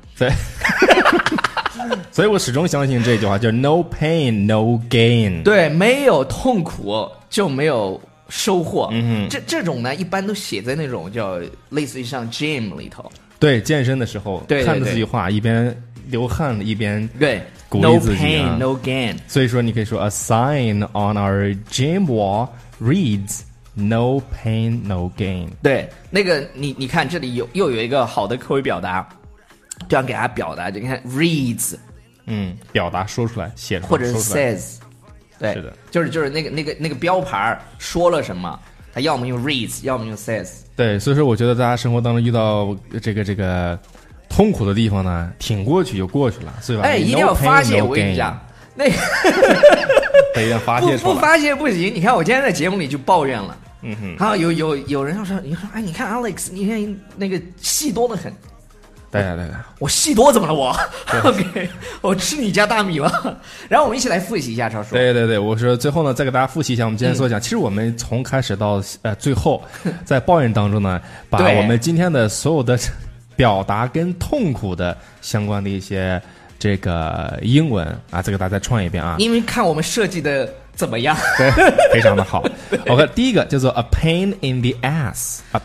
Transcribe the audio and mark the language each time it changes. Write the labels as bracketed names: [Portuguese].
[Chinese] 对所以我始终相信这句话就是 [English] no pain no gain [Chinese] 对没有痛苦就没有收获、嗯、这种呢一般都写在那种叫类似于像 gym 里头对健身的时候对对对看着自己画一边流汗一边对鼓励自己、啊、 [English] No pain, no gain [Chinese] 所以说你可以说 [English] A sign on our gym wall reads No pain, no gain [Chinese] 对那个你看这里又有一个好的口语表达就想给大家表达就看 reads 嗯，表达说出来写出来或者是 says 对是的就是那个标牌说了什么他要么用 reads 要么用 says 对所以说我觉得大家生活当中遇到这个痛苦的地方呢挺过去就过去了所以吧哎一定要发泄我跟你讲那得要发泄不发泄不行你看我今天在节目里就抱怨了嗯哼好有人要说你说哎你看 Alex 你看那个戏多得很对呀、啊、对呀、啊、我戏多怎么了我OK 我吃你家大米吧然后我们一起来复习一下超叔对对对我说最后呢再给大家复习一下我们今天所讲、嗯、其实我们从开始到最后在抱怨当中呢把我们今天的所有的表达跟痛苦的相关的一些这个英文啊再给大家再串一遍啊因为看我们设计的怎么样对非常的好OK 第一个叫做 [English] a pain in the ass